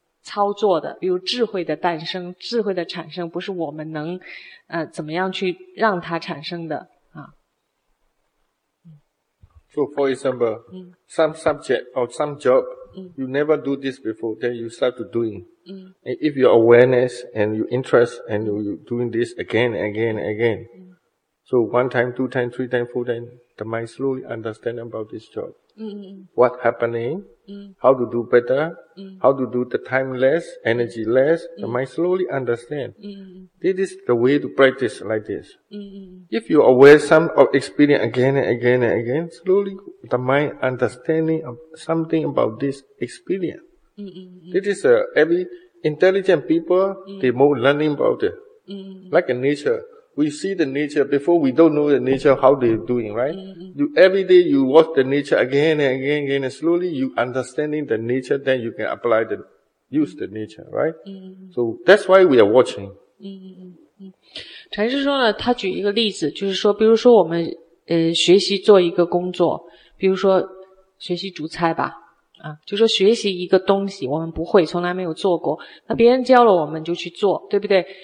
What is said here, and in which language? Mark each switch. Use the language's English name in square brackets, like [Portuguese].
[Chinese] 操作的，比如智慧的诞生，智慧的产生不是我们能怎么样去让它产生的啊。 [English] So for example, some subject or some job, you never do this before, then you start to doing. And if your awareness and your interest and you doing this again and again and again. So one time, two time, three time, four time, the mind slowly understand about this job. What happening? How to do better? How to do the time less, energy less? The mind slowly understand. This is the way to practice like this. If you are aware some of experience again and again and again, slowly the mind understanding of something about this experience. This is every intelligent people, they more learning about it. Like a nature. We see the nature before we don't know the nature, how they're doing, right? You, every day you watch the nature again and again and again, and slowly you understanding the nature, then you can apply the, use the nature, right? So that's why we are watching. [Chinese] 禅师说呢，他举一个例子，就是说，比如说我们学习做一个工作，比如说学习煮菜吧，啊，就说学习一个东西，我们不会，从来没有做过，那别人教了我们就去做，对不对？